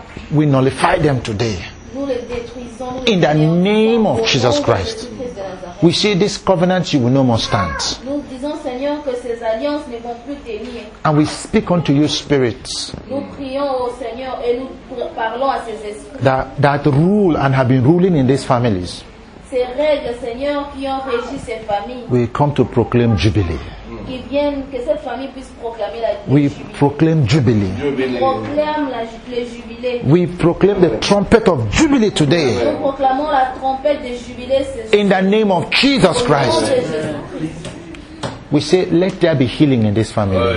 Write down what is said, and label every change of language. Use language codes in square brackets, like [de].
[en] We nullify them today in the name of Jesus Christ. We say this covenant you will no more stand. [fr] Nous disons, Seigneur, que ces alliances ne vont plus tenir. [en] And we speak unto you, spirits. [fr] Nous prions au Seigneur et nous parlons à ces esprits. [en] That rule and have been ruling in these families. [fr] Ces règles, Seigneur, qui ont régi ces familles. [en] We come to proclaim jubilee. [fr] Qui viennent, que cette famille puisse proclamer la [en] jubilee. We proclaim jubilee. We proclaim the trumpet of jubilee today. [fr] Nous proclamons la trompette de jubilee ce soir. [en] In the name of Jesus Christ. We say, let there be healing in this family.